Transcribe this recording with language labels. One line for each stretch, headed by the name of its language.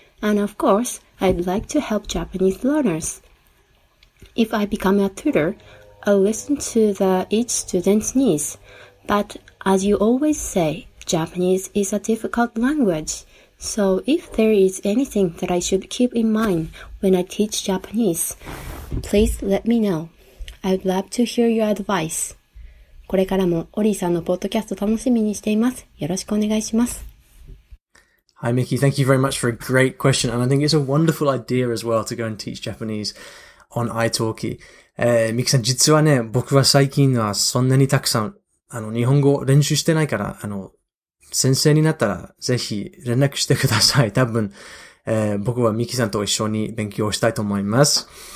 English: And of course, I'd like to help Japanese learners. If I become a tutor, I'll listen to each student's needs. But as you always say, Japanese is a difficult language. So if there is anything that I should keep in mind when I teach Japanese, please let me know. I'd love to hear your advice.
Japanese: これからもオリーさんのポッドキャスト楽しみにしています。よろしくお願いします。
English: Hi, Miki. Thank you very much for a great question. And I think it's a wonderful idea as well to go and teach Japanese on iTalki.
Japanese: Miki さん、実はね、僕は最近はそんなにたくさん、日本語練習してないから、先生になったらぜひ連絡してください。多分、僕はミキさんと一緒に勉強したいと思います。